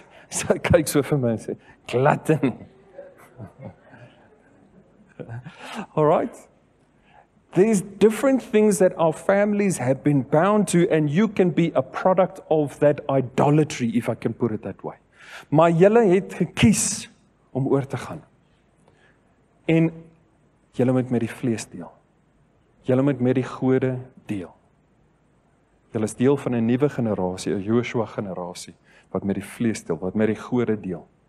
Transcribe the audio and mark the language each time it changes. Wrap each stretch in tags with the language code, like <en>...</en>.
<en>So it cakes with him and say, gluttony. All right. There's different things that our families have been bound to, and you can be a product of that idolatry, if I can put it that way.</en> <af>Maar julle het gekies om oor te gaan. En julle moet met die vlees deel. Julle moet met die gode deel. Julle is deel van 'n nuwe generasie, 'n Joshua generasie, wat met die vlees deel, wat met die gode deel.</af>